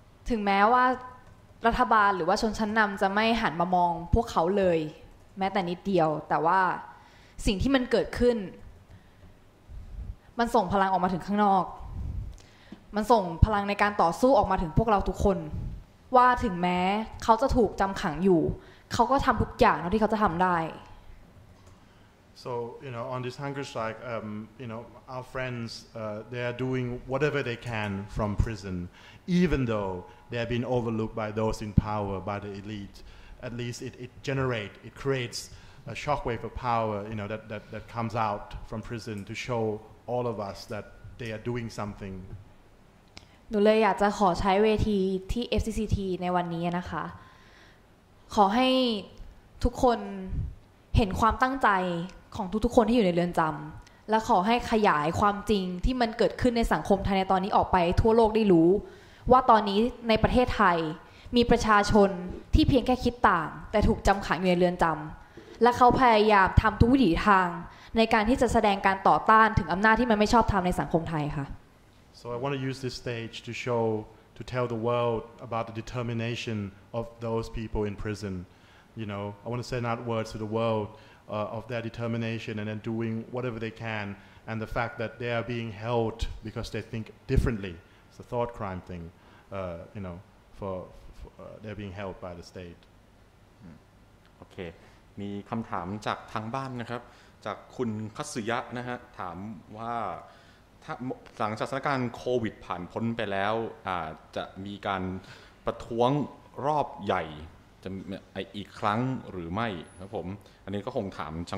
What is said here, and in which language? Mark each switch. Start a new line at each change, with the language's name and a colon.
Thai: ถึงแม้ว่ารัฐบาลหรือว่าชนชั้นนำจะไม่หันมามองพวกเขาเลยแม้แต่นิดเดียวแต่ว่าสิ่งที่มันเกิดขึ้นมันส่งพลังออกมาถึงข้างนอกมันส่งพลังในการต่อสู้ออกมาถึงพวกเราทุกคนว่าถึงแม้เขาจะถูกจำขังอยู่เขาก็ทำทุกอย่างที่เขาจะทำได้
English: So you know on this hunger strike you know our friends they are doing whatever they can from prison even though they have been overlooked by those in power by the elite at least it creates a shockwave of power you know that comes out from prison to show all of us that they are doing something
Thai: หนูเลยอยากจะขอใช้เวทีที่ FCCT ในวันนี้นะคะขอให้ทุกคนเห็นความตั้งใจของทุกๆคนที่อยู่ในเรือนจำและขอให้ขยายความจริงที่มันเกิดขึ้นในสังคมไทยในตอนนี้ออกไปทั่วโลกได้รู้ว่าตอนนี้ในประเทศไทยมีประชาชนที่เพียงแค่คิดต่างแต่ถูกจำขังอยู่ในเรือนจำและเขาพยายามทำทุกวิถีทางในการที่จะแสดงการต่อต้านถึงอำนาจที่มันไม่ชอบธรรมในสังคมไทยค่ะ
English: So I want to use this stage to show, to tell the world about the determination of those people in prison. You know, I want to send out words to the world of their determination and then doing whatever they can and the fact that they are being held because they think differently. It's a thought crime thing, you know, for they're being held by the state. Okay.
Thai: มีคำถามจากทางบ้านนะครับจากคุณคัสสุยะนะฮะถามว่าถ้าหลังจากสถานการณ์โควิดผ่านพ้นไปแล้วจะมีการประท้วงรอบใหญ่จะอีกครั้งหรือไม่ครับผมอันนี้ก็คงถาม